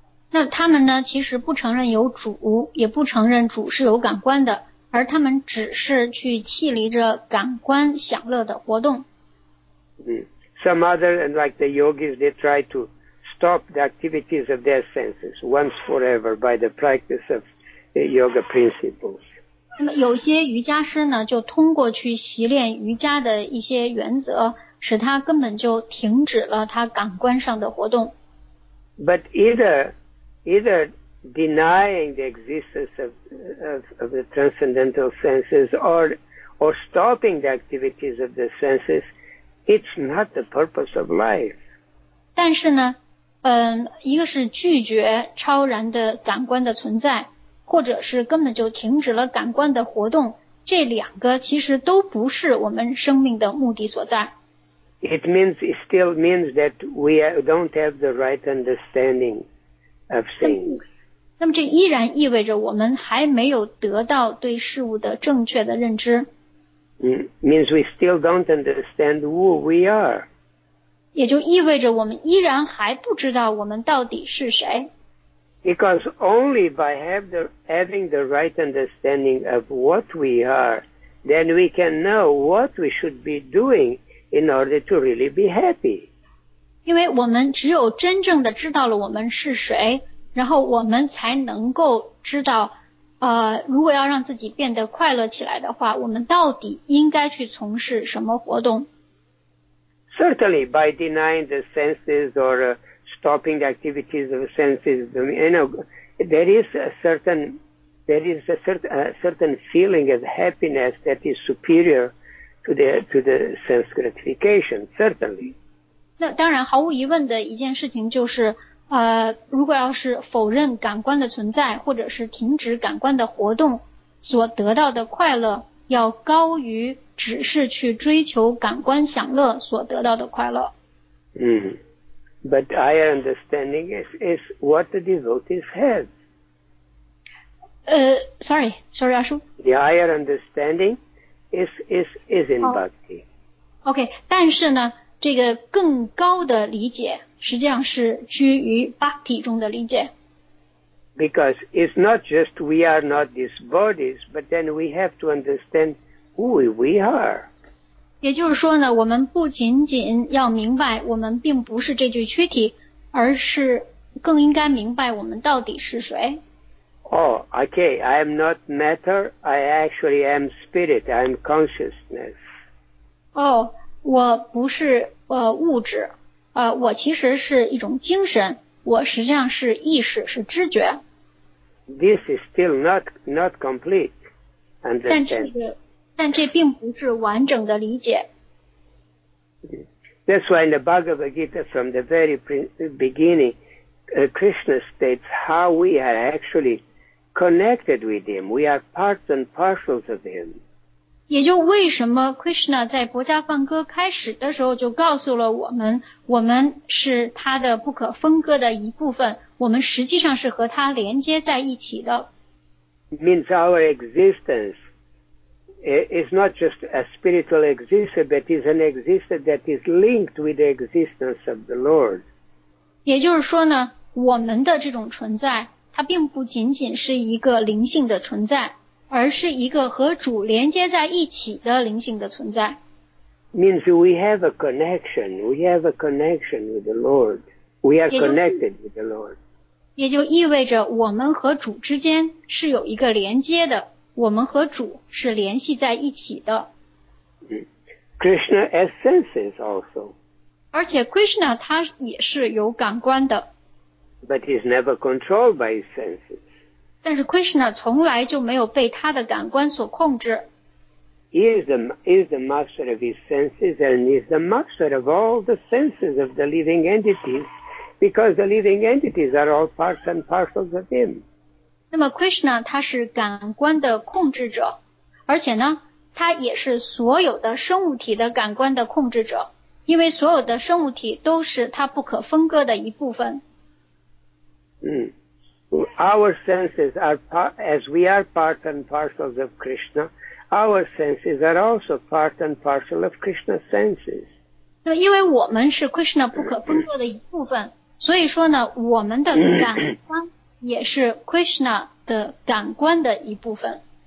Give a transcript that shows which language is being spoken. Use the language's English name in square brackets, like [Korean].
[Chinese] 那他们呢，其实不承认有主，也不承认主是有感官的，而他们只是去弃离着感官享乐的活动。 [English] Some other, like the yogis, they try to stop the activities of their senses once forever by the practice of yoga principles. [Chinese] 那么有些瑜伽师呢，就通过去习练瑜伽的一些原则，使他根本就停止了他感官上的活动。 [English] But either denying the existence of the transcendental senses or stopping the activities of the senses, it's not the purpose of life. [Chinese] 但是呢，一个是拒绝超然的感官的存在，或者是根本就停止了感官的活动，这两个其实都不是我们生命的目的所在。 [English] It still means that we don't have the right understanding. [Chinese] 那么这依然意味着我们还没有得到对事物的正确的认知。 [English] Means we still don't understand who we are. [Chinese] 也就意味着我们依然还不知道我们到底是谁。 [English] Because only by having the right understanding of what we are, then we can know what we should be doing in order to really be happy. [Chinese] 因为我们只有真正的知道了我们是谁，然后我们才能够知道，如果要让自己变得快乐起来的话，我们到底应该去从事什么活动。 [English] Certainly, by denying the senses or stopping the activities of the senses, you know, there is a certain feeling of happiness that is superior to the sense gratification. Certainly. [Chinese] 那当然，毫无疑问的一件事情就是，如果要是否认感官的存在，或者是停止感官的活动，所得到的快乐要高于只是去追求感官享乐所得到的快乐。 [English] But our understanding is what the devotees have. Sorry, Ashu. The higher understanding is in bhakti. [Chinese] Okay, 但是呢，这个更高的理解实际上是居于 bhakti 中的理解。 [English] Because it's not just we are not these bodies, but then we have to understand who we are. [Chinese] 也就是说呢，我们不仅仅要明白我们并不是这具躯体，而是更应该明白我们到底是谁。 [English] Oh, okay. I am not matter. I actually am spirit. I am consciousness. [Chinese] Oh, 我不是物质，我其实是一种精神，我实际上是意识，是知觉。 [English] This is still not complete. Understand. [Chinese] 但这并不是完整的理解。 [English] That's why in the Bhagavad Gita from the very beginning, Krishna states how we are actually connected with him. We are parts and parcels of him. [Chinese] 也就为什么 Krishna 在《薄伽梵歌》开始的时候就告诉了我们，我们是他的不可分割的一部分，我们实际上是和他连接在一起的。 [English] Means our existence. It's not just a spiritual existence, but it's an existence that is linked with the existence of the Lord. [Chinese] 也就是说呢，我们的这种存在，它并不仅仅是一个灵性的存在，而是一个和主连接在一起的灵性的存在。 [English] Means we have a connection. We have a connection with the Lord. We are connected with the Lord. [Chinese] 也就意味着我们和主之间是有一个连接的。我们和主是联系在一起的。 [English] Krishna has senses also. [Chinese] 而且 Krishna 他也是有感官的。 [English] But he's never controlled by his senses. [Chinese] 但是 Krishna 从来就没有被他的感官所控制。 [English] He is the master of his senses and he's the master of all the senses of the living entities because the living entities are all parts and parcels of him. [Chinese] 那么 Krishna 他是感官的控制者，而且呢，他也是所有的生物体的感官的控制者，因为所有的生物体都是他不可分割的一部分。 [English] Our senses are part, as we are part and parcels of Krishna, our senses are also part and parcel of Krishna's senses. [Chinese] 那因为我们是 Krishna 不可分割的一部分，所以说呢，我们的感官也是 Krishna 的感官的一部分。